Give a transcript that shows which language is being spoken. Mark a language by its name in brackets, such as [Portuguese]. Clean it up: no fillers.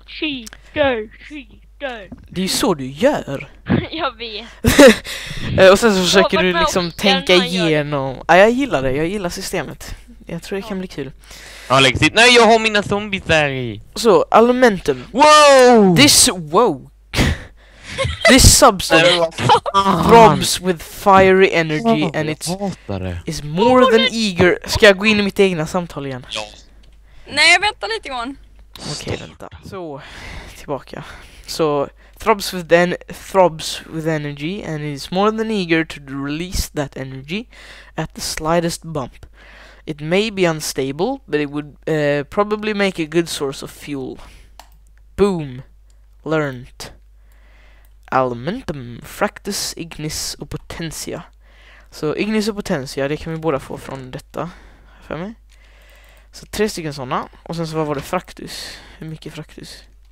[Swedish] Kikar, kikar. Det är ju så du gör. Jag vet. Och sen så försöker du liksom tänka igenom. Jag gillar det, jag gillar systemet. Jag tror det kan bli kul. Alex, nej, jag har mina zombies där i. Så, elementum. Wow! [English] This woke. This substance throbs with fiery energy and it's is more than eager. [Swedish] Ska jag gå in i mitt egna samtal igen? Ja. Nej, vänta lite grann. Okej, vänta. Så, tillbaka. [English] Så, throbs with energy and it's more than eager to release that energy at the slightest bump. It may be unstable, but it would probably make a good source of fuel. Boom. Learned. [Swedish] Elementum, fractus, ignis och potentia. Så ignis och potentia, det kan vi båda få från detta. För mig. Så 3 stycken sådana. Och sen så vad var det fractus? Hur mycket fractus?